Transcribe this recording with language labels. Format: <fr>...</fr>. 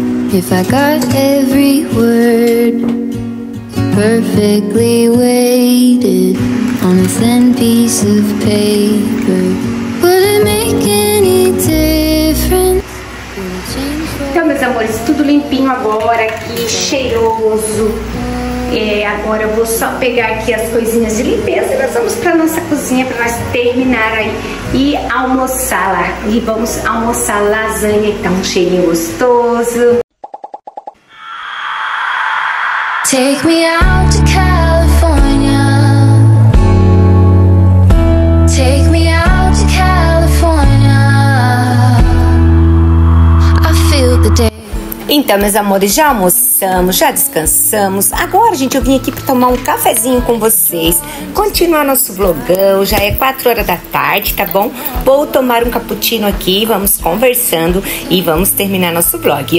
<en>If I got every word perfectly weighted on a thin piece of paper, would it make any difference?</en> <pt>Então, meus amores, tudo limpinho agora aqui, cheiroso. É, agora eu vou só pegar aqui as coisinhas de limpeza e nós vamos pra nossa cozinha pra nós terminar aí e almoçar lá. E vamos almoçar lasanha, então, um cheirinho gostoso.</pt> <en>Take me out to California. Take me out to California. I feel the day.</en> <pt>Então, meus amores, já almoçamos, já descansamos. Agora, gente, eu vim aqui pra tomar um cafezinho com vocês. Continuar nosso vlogão, já é 4 horas da tarde, tá bom? Vou tomar um cappuccino aqui, vamos conversando e vamos terminar nosso vlog.</pt>